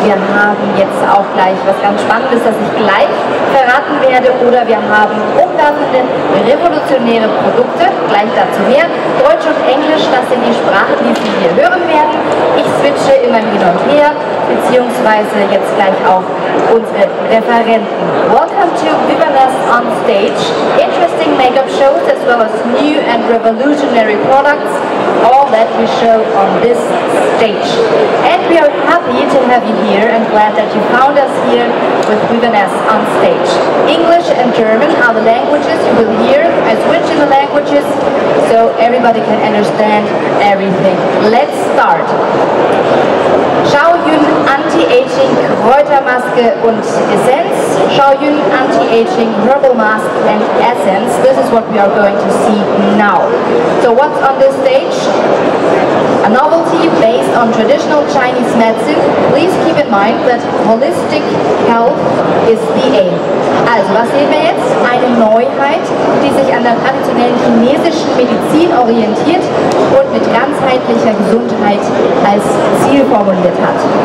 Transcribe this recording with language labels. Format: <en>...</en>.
<de>Wir haben jetzt auch gleich was ganz Spannendes, das ich gleich verraten werde. Oder wir haben umwerfende, revolutionäre Produkte, gleich dazu mehr. Deutsch und Englisch, das sind die Sprachen, die Sie hier hören werden. Ich switche immer hin und her, beziehungsweise jetzt gleich auch unsere Referenten.</de> <en>Welcome to Vivaness on Stage. Interesting Make-up Shows as well as new and revolutionary products. All that we show on this stage. And we are happy to have you here and glad that you found us here with Vivaness on Stage. English and German are the languages you will hear. I switch in the languages so everybody can understand everything. Let's start.</en> <de>Shaoyun Anti-Aging-Kräuter-Maske und Essenz.</de> <en>Shaoyun Anti-Aging Herbal Mask and Essenz. This is what we are going to see now. So what's on this stage? A novelty based on traditional Chinese medicine. Please keep in mind that holistic health is the aim.</en> <de>Also, was sehen wir jetzt? Eine Neuheit, die sich an der traditionellen chinesischen Medizin orientiert und mit ganzheitlicher Gesundheit als Ziel formuliert hat.</de>